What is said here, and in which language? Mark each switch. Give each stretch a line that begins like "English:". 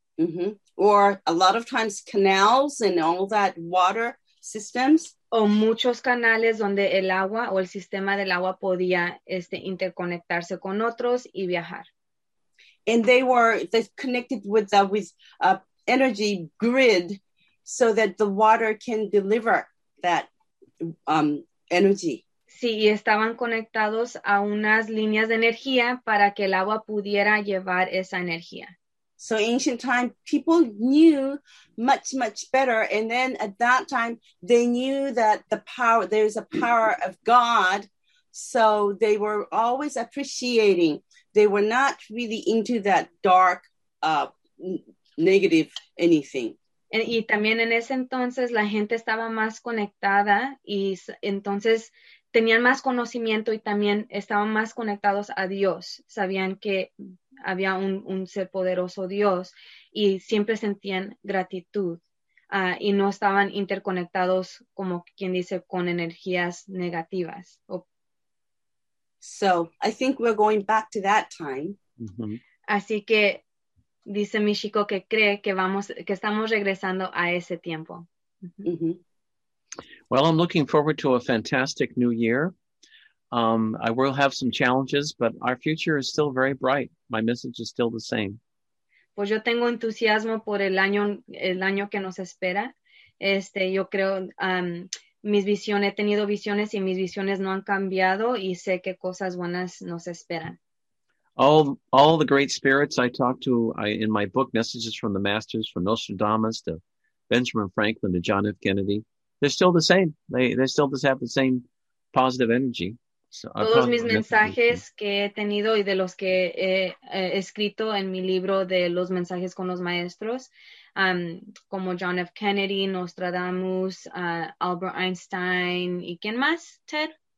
English: Mm-hmm. Or a lot of times canals and all that water systems.
Spanish: O muchos canales donde el agua o el sistema del agua podía interconectarse con otros y viajar.
English: And they connected with energy grid so that the water can deliver that energy.
Spanish: Sí, y estaban conectados a unas líneas de energía para que el agua pudiera llevar esa energía.
English: So ancient time, people knew much, much better. And then at that time, they knew that the power, there's a power of God. So they were always appreciating. They were not really into that dark, negative anything.
Spanish: Y también en ese entonces la gente estaba más conectada y entonces tenían más conocimiento y también estaban más conectados a Dios. Sabían que había un ser poderoso Dios y siempre sentían gratitud y no estaban interconectados, como quien dice, con energías negativas.
English: So, I think we're going back to that time. Mm-hmm.
Spanish: Así que dice Michiko que cree que vamos, que estamos regresando a ese tiempo. Mm-hmm.
English: Well, I'm looking forward to a fantastic new year. I will have some challenges, but our future is still very bright. My message is still the same.
Spanish: Pues yo tengo entusiasmo por el año que nos espera. Yo creo, mis visiones, he tenido visiones y mis visiones no han cambiado y sé que cosas buenas nos esperan.
English: All the great spirits I talked to in my book, Messages from the Masters, from Nostradamus to Benjamin Franklin to John F. Kennedy, they're still the same. They still just have the same positive energy.
Spanish: So, todos mis mensajes que he tenido y de los que he escrito en mi libro de los mensajes con los maestros, como John F. Kennedy, Nostradamus, Albert Einstein, ¿y quién más, Ted?